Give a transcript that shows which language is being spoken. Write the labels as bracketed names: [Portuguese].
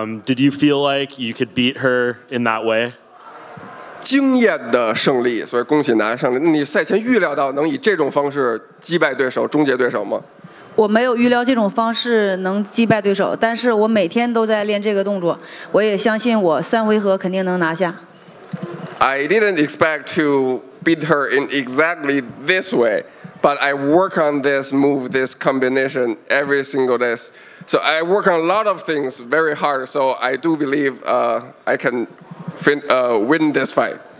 [English] Did you feel like you could beat her in that way? [Chinese] 惊艳的胜利, 所以恭喜拿下胜利。你赛前预料到能以这种方式击败对手，终结对手吗？我没有预料这种方式能击败对手， 但是我每天都在练这个动作， 我也相信我三回合肯定能拿下。 [English] I didn't expect to beat her in exactly this way, but I work on this move, this combination every single day. So I work on a lot of things very hard, so I do believe I can win this fight.